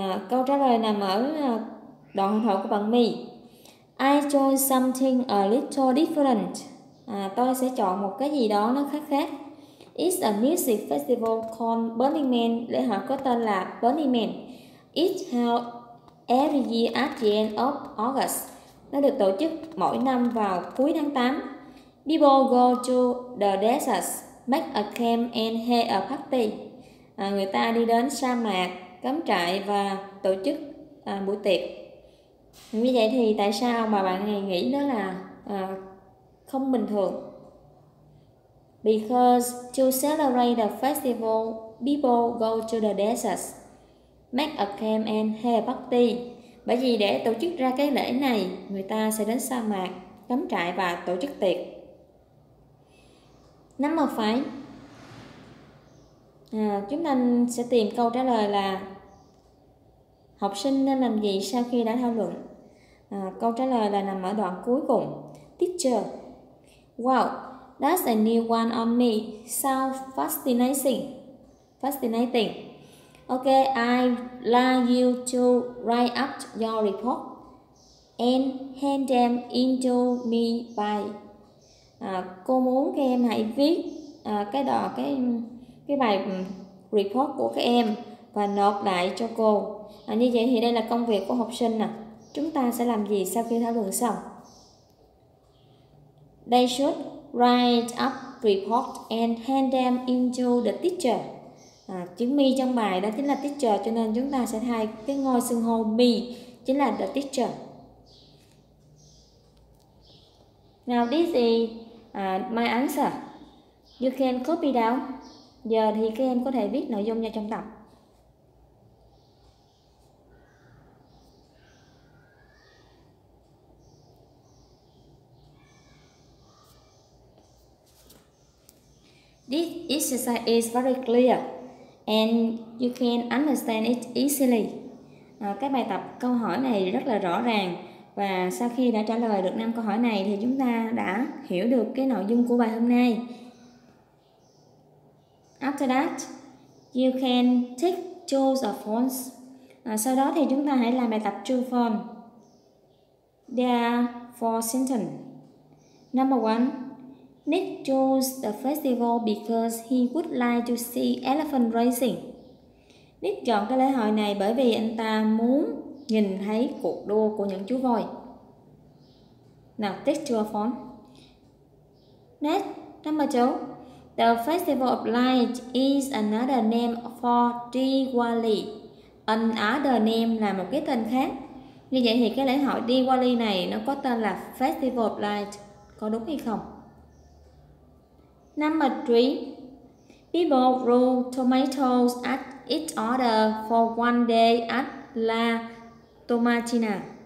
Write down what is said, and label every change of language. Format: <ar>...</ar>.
<vi>Câu trả lời nằm ở đoạn hội thoại của bạn My.</vi> <en>I chose something a little different.</en> <vi>Tôi sẽ chọn một cái gì đó nó khác.</vi> <en>It's a music festival called Burning Man.</en> <vi>Lễ hội có tên là Burning Man.</vi> <en>It's held every year at the end of August.</en> <vi>Nó được tổ chức mỗi năm vào cuối tháng 8.</vi> <en>People go to the desert, make a camp and have a party.</en> <vi>Người ta đi đến sa mạc, cắm trại và tổ chức buổi tiệc. Như vậy thì tại sao mà bạn này nghĩ đó là không bình thường?</vi> <en>Because to celebrate the festival, people go to the desert, make a camp and have a party.</en> <vi>Bởi vì để tổ chức ra cái lễ này, người ta sẽ đến sa mạc cắm trại và tổ chức tiệc.</vi> <en>Number 5.</en> <vi>Chúng ta sẽ tìm câu trả lời là học sinh nên làm gì sau khi đã thảo luận. Câu trả lời là nằm ở đoạn cuối cùng.</vi> <en>Teacher: Wow, that's a new one on me. Sounds fascinating. Fascinating. Ok, I'd like you to write up your report and hand them into me by.</en> <vi>Cô muốn các em hãy viết cái bài report của các em và nộp lại cho cô. Như vậy thì đây là công việc của học sinh nè. Chúng ta sẽ làm gì sau khi thảo luận xong?</vi> <en>They should write up report and hand them into the teacher.</en> <vi>Chữ me trong bài đó chính là teacher, cho nên chúng ta sẽ thay cái ngôi xưng hô me chính là the teacher.</vi> <en>Now this is my answer. You can copy down.</en> <vi>Giờ thì các em có thể viết nội dung vào trong tập.</vi> <en>This exercise is very clear and you can understand it easily.</en> <vi>Cái bài tập câu hỏi này rất là rõ ràng. Và sau khi đã trả lời được 5 câu hỏi này thì chúng ta đã hiểu được cái nội dung của bài hôm nay.</vi> <en>After that, you can take true or false.</en> <vi>Sau đó thì chúng ta hãy làm bài tập true false.</vi> <en>There are 4 sentences. Number 1. Nick chose the festival because he would like to see elephant racing.</en> <vi>Nick chọn cái lễ hội này bởi vì anh ta muốn nhìn thấy cuộc đua của những chú voi.</vi> <en>Now, take two of them. Next, number 2. The Festival of Light is another name for Diwali. Another name</en> <vi>là một cái tên khác. Như vậy thì cái lễ hội Diwali này nó có tên là Festival of Light. Có đúng hay không?</vi> <en>Number 3. People throw tomatoes at each other for one day at La Tomatina.</en>